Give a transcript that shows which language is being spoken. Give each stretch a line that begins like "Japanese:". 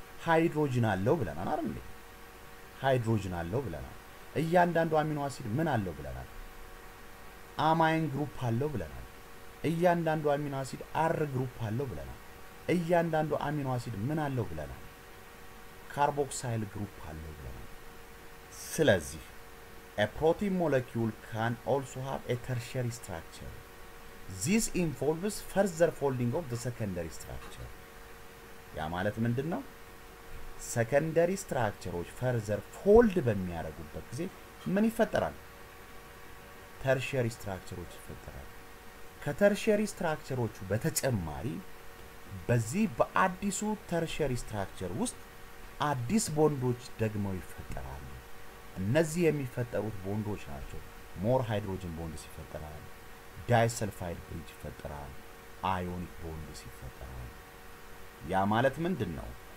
Amharic: ሃይድሮጅን አለው ብለናል አይደል? እያንዳንዱ አሚኖ አሲድ ምን አለው ብለናል? አማይን ግሩፕ አለው ብለናል። እያንዳንዱ አሚኖ አሲድ R ግሩፕ አለው ብለናል። እያንዳንዱ አሚኖ አሲድ ምን አለው ብለናል? ካርቦክሳይል ግሩፕ አለው። ስለዚህ
English: a protein molecule can also have a tertiary structure. This involves further folding of the secondary structure.
Amharic: ያ ማለት ምንድነው? secondary structures further fold በሚያደርጉበት ጊዜ ምን ይፈጠራል? tertiary structures ይፈጠራል። ከtertiary structures በተጨማሪ በዚህ በአዲሱ tertiary structure ውስጥ አዲስ ቦንዶች ደግሞ ይፈጠራሉ። እነዚህ የሚፈጠሩት ቦንዶች ናቸው። ሞር ሃይድሮጅን ቦንድስ ይፈጠራል። ዳይሰልፋይድ ብሪጅ ይፈጠራል። አዮኒክ ቦንድስ ይፈጠራል። ያ ማለት ምንድነው?